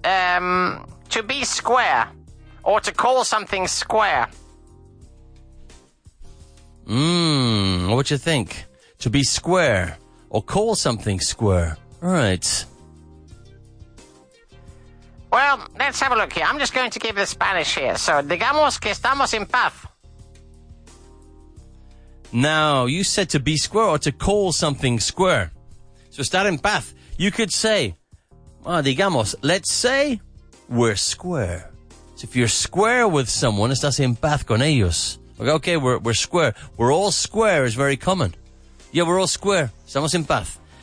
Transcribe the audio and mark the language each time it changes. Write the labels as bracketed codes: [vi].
[en] To be square or to call something square. What do you think? To be square or call something square. All right. Well, let's have a look here. I'm just going to give the Spanish here. [es] So, digamos que estamos en paz. [en] Now, you said to be square or to call something square. So, [es] estar en paz. [en] You could say, digamos, let's say we're square. So, if you're square with someone, [es] estás en paz con ellos. [en] Okay, we're square. We're all square is very common. Yeah, we're all square. [es] Estamos en paz.